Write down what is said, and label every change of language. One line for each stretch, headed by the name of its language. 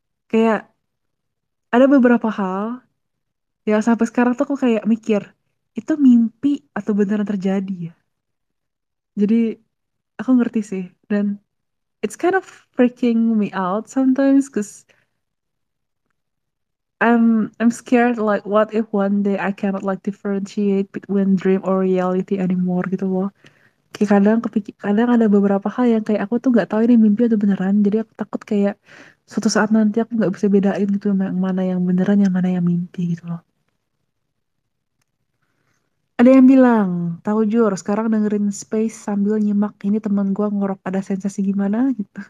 Indonesian: Kayak ada beberapa hal yang sampai sekarang tuh aku kayak mikir itu mimpi atau beneran terjadi ya. Jadi aku ngerti sih, dan
English: it's kind of freaking me out sometimes, cause I'm scared like what if one day I cannot like differentiate between dream or reality anymore
Indonesian: gitu loh. Kayak kadang ada beberapa hal yang kayak aku tuh nggak tahu ini mimpi atau beneran. Jadi aku takut kayak suatu saat nanti aku nggak bisa bedain gitu yang mana yang beneran, yang mana yang mimpi gitu loh. Ada yang bilang, tahu jur, sekarang dengerin space sambil nyimak ini teman gua ngorok ada sensasi gimana gitu.